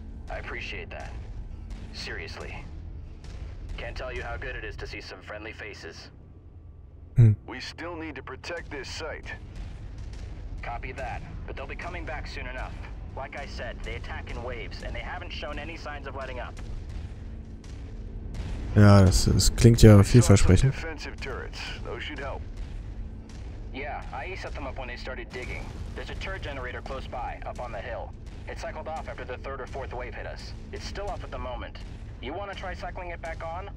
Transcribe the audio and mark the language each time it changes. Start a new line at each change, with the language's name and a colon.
English: I appreciate that. Seriously. Can't tell you how good it is to see some friendly faces. We still need to protect this site. Copy that, but they'll be coming back soon enough. Like I said, they attack in waves, and they haven't shown any signs of letting up.
German: Ja, das klingt ja vielversprechend.
English: Defensive turrets, those should help. Yeah, I set them up when they started digging. There's a turret generator close by, up on the hill. It cycled off after the third or fourth wave hit us. It's still off at the moment. You want to try cycling it back on?